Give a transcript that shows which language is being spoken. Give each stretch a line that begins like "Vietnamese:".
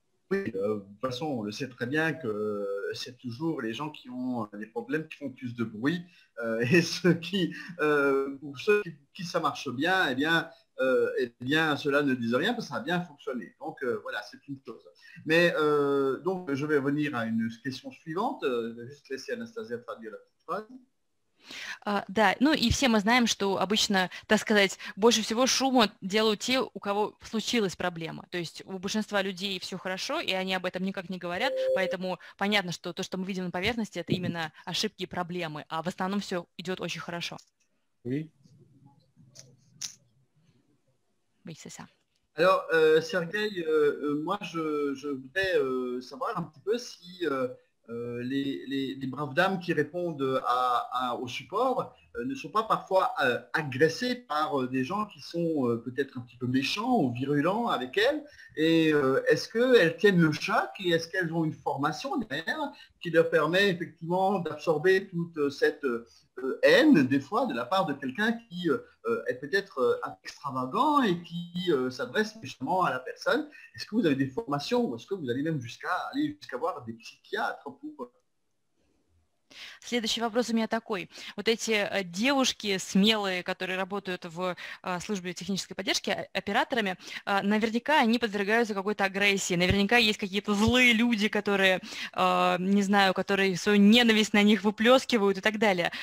French: Oui, de toute façon, on le sait très bien que c'est toujours les gens qui ont des problèmes qui font plus de bruit et ceux qui, pour ceux qui ça marche bien, eh bien. Eh bien, cela ne dit rien parce que ça a bien fonctionné. Donc, voilà, c'est une chose. Mais, donc, je vais revenir à une question suivante. Je vais juste laisser Anastasia traduire la petite phrase.
Russian: Да, ну и все мы знаем, что обычно, так сказать, больше всего шума делают те, у кого случилась проблема. То есть у большинства людей все хорошо, и они об этом никак не говорят, поэтому понятно, что то, что мы видим на поверхности, это именно ошибки и проблемы, а в основном все идет очень хорошо.
French: Oui. Oui, c'est ça. Alors, Sergueï, moi, je voudrais savoir un petit peu si les braves dames qui répondent au support ne sont pas parfois agressées par des gens qui sont peut-être un petit peu méchants ou virulents avec elles. Et est-ce qu'elles tiennent le choc et est-ce qu'elles ont une formation derrière qui leur permet effectivement d'absorber toute cette haine, des fois, de la part de quelqu'un qui est peut-être extravagant et qui s'adresse justement à la personne. Est-ce que vous avez des formations ou est-ce que vous allez même jusqu'à voir des psychiatres pour...
Russian: Следующий вопрос у меня такой. Вот эти девушки смелые, которые работают в службе технической поддержки операторами, наверняка они подвергаются какой-то агрессии. Наверняка есть какие-то злые люди, которые, не знаю, которые свою ненависть на них выплескивают и так далее.